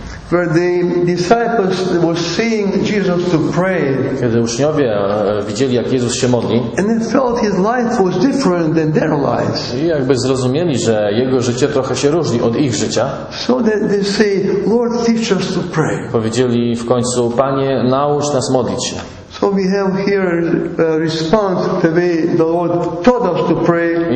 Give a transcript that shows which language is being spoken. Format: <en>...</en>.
<en>Where the disciples were seeing Jesus to pray.</en> <pl>Kiedy uczniowie widzieli, jak Jezus się modli.</pl> <en>And they felt his life was different than their lives.</en> <pl>I jakby zrozumieli, że jego życie trochę się różni od ich życia.</pl> <en>So they say, Lord, teach us to pray.</en> <pl>Powiedzieli w końcu, Panie, naucz nas modlić się.</pl> <en>So we have here a response to the way the Lord taught us to pray.</en>